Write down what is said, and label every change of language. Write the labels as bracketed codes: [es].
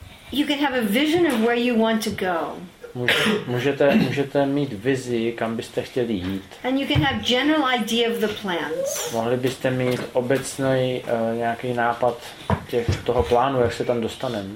[en] You can have a vision of where you want to go. [cs] Můžete mít vizi, kam byste chtěli jít. [en] And you can have general idea of the plans. [cs] Mohli byste mít obecný nějaký nápad těch toho plánu, jak se tam dostaneme.